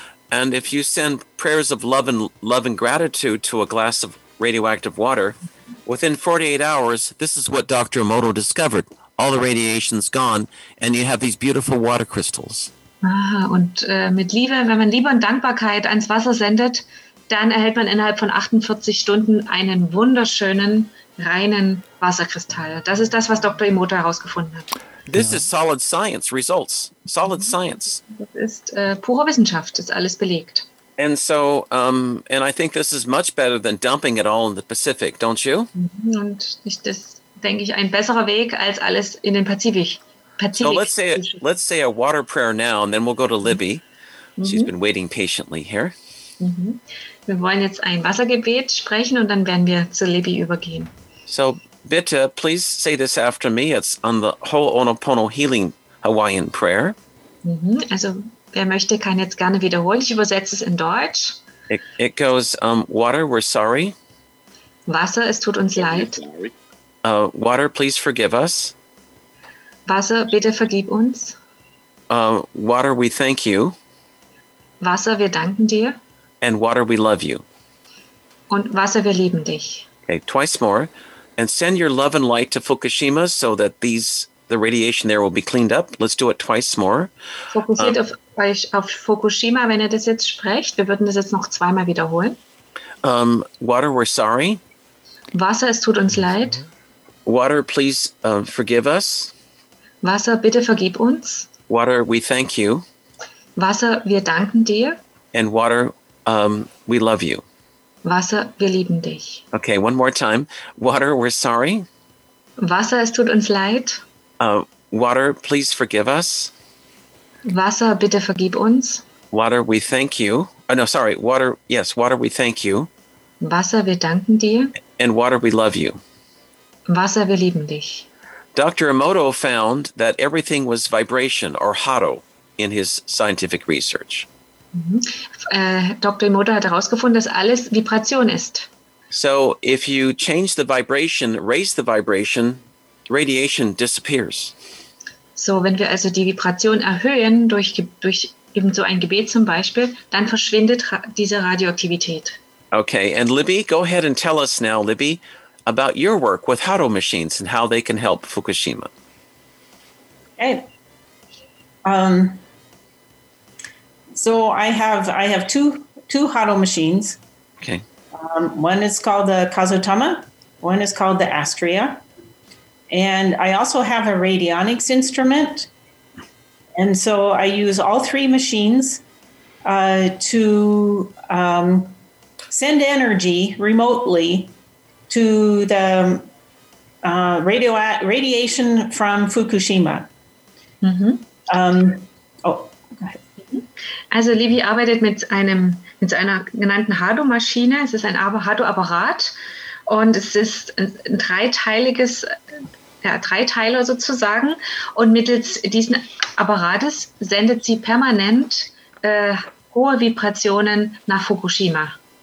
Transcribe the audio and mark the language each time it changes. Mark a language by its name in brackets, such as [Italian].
[English] And if you send prayers of love and gratitude to a glass of radioactive water, within 48 hours, this is what Dr. Emoto discovered. All the radiation's gone, and you have these beautiful water crystals. [German] Mit Liebe, wenn man Liebe und Dankbarkeit ans Wasser sendet, dann erhält man innerhalb von 48 Stunden einen wunderschönen, reinen Wasserkristall. Das ist das, was Dr. Emoto herausgefunden hat. [English] This is solid science results. Solid science. [German] Das ist pure Wissenschaft, ist alles belegt. [English] And so, and I think this is much better than dumping it all in the Pacific, don't you? [German] Und das denke ich ein besserer Weg als alles in den Pazifik. [English] So let's say a water prayer now, and then we'll go to Libby. Mm-hmm. She's been waiting patiently here. Mm-hmm. [German] Wir wollen jetzt ein Wassergebet sprechen und dann werden wir zu Libby übergehen. So, bitte, [English] please say this after me. It's on the Ho'oponopono Healing Hawaiian Prayer. Mm-hmm. [German] Also, wer möchte, kann jetzt gerne wiederholen. Ich übersetze es in Deutsch. [English] It goes, water, we're sorry. [German] Wasser, es tut uns leid. [English] Water, please forgive us. [German] Wasser, bitte vergib uns. [English] Water, we thank you. [German] Wasser, wir danken dir. [English] And water, we love you. [German] Und Wasser, wir lieben dich. [English] Okay, twice more. And send your love and light to Fukushima so that the radiation there will be cleaned up. Let's do it twice more. [German] Fokussiert auf Fukushima, wenn ihr das jetzt sprecht. Wir würden das jetzt noch zweimal wiederholen. [English] Water, we're sorry. [German] Wasser, es tut uns leid. [English] Water, please forgive us. [German] Wasser, bitte vergib uns. [English] Water, we thank you. [German] Wasser, wir danken dir. [English] And water, we love you. [German] Wasser, wir lieben dich. [English] Okay, one more time. Water, we're sorry. [German] Wasser, es tut uns leid. [English] Water, please forgive us. [German] Wasser, bitte vergib uns. [English] Water, we thank you. Oh, no, sorry. Water, yes, water, we thank you. [German] Wasser, wir danken dir. [English] And water, we love you. [German] Wasser, wir lieben dich. [English] Dr. Emoto found that everything was vibration or hado in his scientific research. [German] Dr. Emoto hat herausgefunden, dass alles Vibration ist. [English] So if you change the vibration, raise the vibration, radiation disappears. [German] So wenn wir also die Vibration erhöhen, durch eben so ein Gebet zum Beispiel, dann verschwindet diese Radioaktivität. [English] Okay, and Libby, go ahead and tell us now, Libby, about your work with Haro machines and how they can help Fukushima. Okay. So I have two Haro machines. Okay. One is called the Kazotama. One is called the Astrea. And I also have a radionics instrument. And so I use all three machines to send energy remotely to the radiation from Fukushima. Mm-hmm. [German] Also Levi arbeitet mit einem mit einer genannten Hado-Maschine. Es ist ein Hado-Apparat und es ist ein dreiteiliges, ja, Dreiteiler sozusagen. Und mittels diesen Apparates sendet sie permanent hohe Vibrationen nach Fukushima.